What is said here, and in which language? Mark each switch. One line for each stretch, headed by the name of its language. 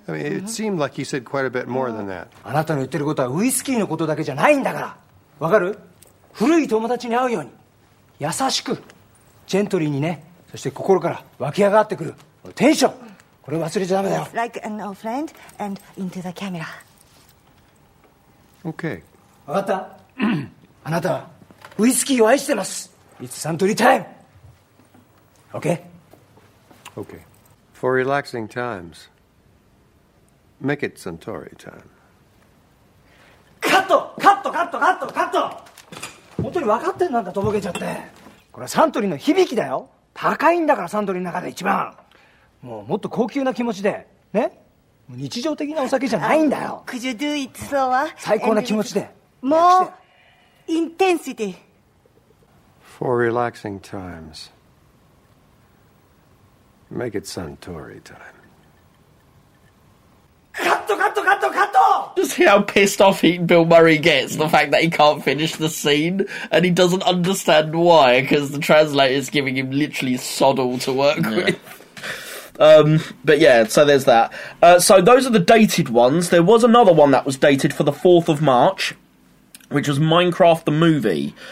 English: I mean, it seemed like he said quite a bit more than that.
Japanese: あなたの言ってることはウイスキーのことだけじゃないんだから。わかる?古い友達に会うように優しく、ジェントリーにね、そして心から湧き上がってくるテンション。これ忘れちゃダメだよ。
English: Like an old friend and into the camera. Okay.
Japanese: わかった? あなたはウイスキーを愛してます!
English: It's Suntory time! Okay? Okay. For relaxing times, make it Suntory time.
Japanese: カット! カット! カット!ットカットカット。本当に分かってんなんだとぼけちゃって。これはサントリーの響きだよ。高いんだからサントリーの中で一番。もうもっと高級な気持ちで、ね。もう日常的なお酒じゃないんだよ。
English: Could you do it slower?
Japanese: 最高な気持ちで。もう intensity
English: for relaxing times. Make it Suntory time.
Japanese: カットカットカットカット。
English: Just see how pissed off he, Bill Murray gets the fact that he can't finish the scene and he doesn't understand why because the translator is giving him literally sod all to work with. But yeah, so there's that. So those are the dated ones. There was another one that was dated for the 4th of March, which was Minecraft the movie.